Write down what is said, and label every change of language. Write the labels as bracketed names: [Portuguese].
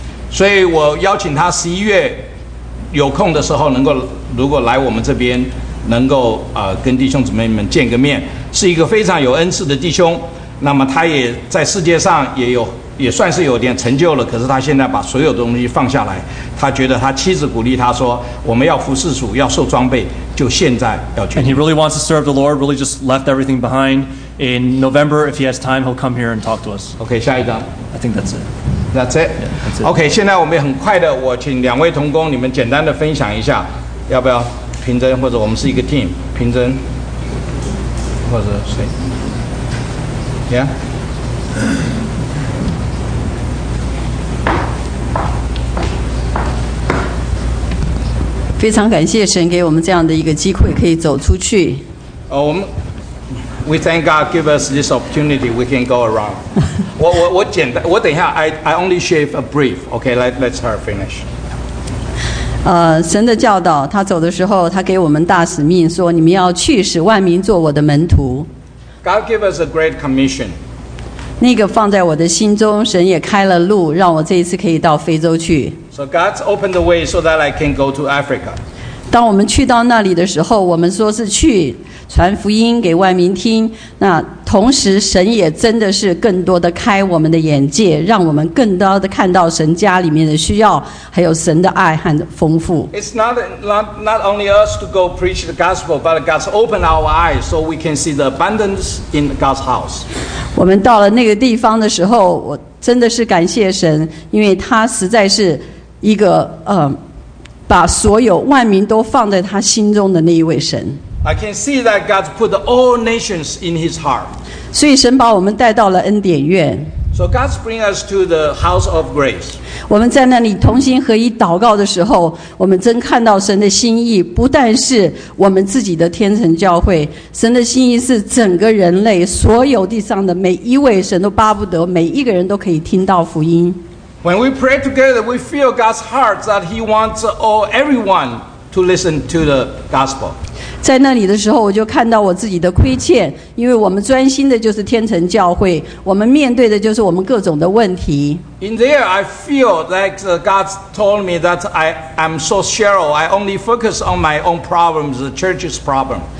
[Chinese] 所以我邀请他十一月有空的时候能够，如果来我们这边，能够跟弟兄姊妹们见个面，是一个非常有恩赐的弟兄。那么他也在世界上也算是有点成就了，可是他现在把所有东西放下来，他觉得他妻子鼓励他说，我们要服侍主，要受装备，就现在要去。 [English] And he really wants to serve the Lord, really just left everything behind. In November, if he has time, he'll come here and talk to us. Okay, [Chinese] 下一张。 [English] I think that's it. That's it? Yeah, that's it. Okay, [Chinese] 现在我们很快的，我请两位同工，你们简单的分享一下，要不要平真，或者我们是一个 team， 平真，或者谁 ？ [English] Yeah。 [Chinese] 非常感谢神给我们这样的一个机会，可以走出去。 [English] We thank God give us this opportunity. We can go around. [Chinese] 我简单，我等一下 [English] ，I only share a brief. Okay, let's her finish. [Chinese] 神的教导，他走的时候，他给我们大使命，说你们要去使万民做我的门徒。 [English] God give us a great commission. [Chinese] 那个放在我的心中，神也开了路，让我这一次可以到非洲去。 [English] So God's opened the way so that I can go to Africa. [Chinese] 当我们去到那里的时候，我们说是去传福音给万民听。那同时，神也真的是更多的开我们的眼界，让我们更多的看到神家里面的需要，还有神的爱和丰富。 [English] It's not only us to go preach the gospel, but God's opened our eyes so we can see the abundance in God's house. [Chinese] 我们到了那个地方的时候，我真的是感谢神，因为他实在是一个把所有万民都放在他心中的那一位神。 [English] I can see that God put all nations in His heart. [Chinese] 所以神把我们带到了恩典院。 [English] So God brings us to the house of grace. [Chinese] 我们在那里同心合一祷告的时候，我们真看到神的心意，不但是我们自己的天城教会，神的心意是整个人类，所有地上的每一位，神都巴不得每一个人都可以听到福音。 [English] When we pray together, we feel God's heart that He wants everyone to listen to the gospel. [Chinese] 在那里的时候，我就看到我自己的亏欠，因为我们专心的就是天城教会，我们面对的就是我们各种的问题。 [English] In there, I feel like God told me that I am so shallow. I only focus on my own problems, the church's problem.